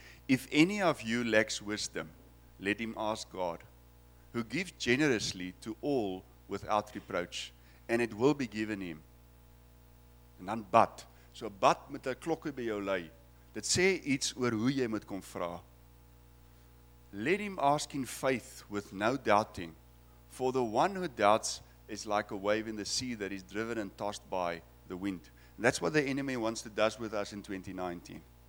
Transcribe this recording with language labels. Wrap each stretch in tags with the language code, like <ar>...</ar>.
<en>If any of you lacks wisdom, let him ask God, who gives generously to all without reproach, and it will be given him.</en> <af>En dan bad. So bad met 'n klokkie by jou lei. Dit sê iets oor hoe jy moet kom vra.</af> <en>Let him ask in faith with no doubting, for the one who doubts is like a wave in the sea that is driven and tossed by the wind. And that's what the enemy wants to do with us in 2019.</en>